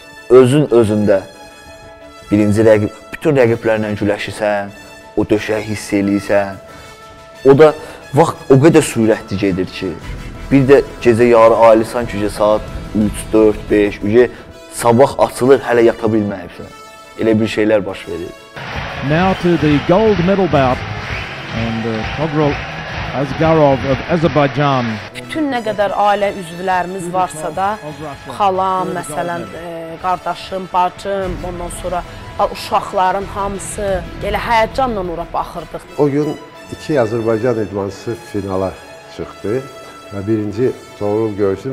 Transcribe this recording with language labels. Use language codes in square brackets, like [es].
[az] Özün özündə birinci rəqib, bütün rəqiblərlə güləşirsən, o döşək hiss eləyirsən. O da vaxt o qədər sürətli gedir ki, bir də gecə yarı ailəsən ki, saat 3, 4, 5, sabah açılır, hələ yata bilməyibsən. Elə bir şeylər baş verir. [en] Now to the gold medal bout and Toğrul Azgarov of Azerbaijan. [az] Bütün nə qədər ailə üzvlərimiz varsa da, xalam, məsələn, qardaşım, bacım, ondan sonra uşaqların hamısı elə həyəcanla ora baxırdıq. O gün iki Azərbaycan idmançısı finala çıxdı və birinci Toğrul görüşdü.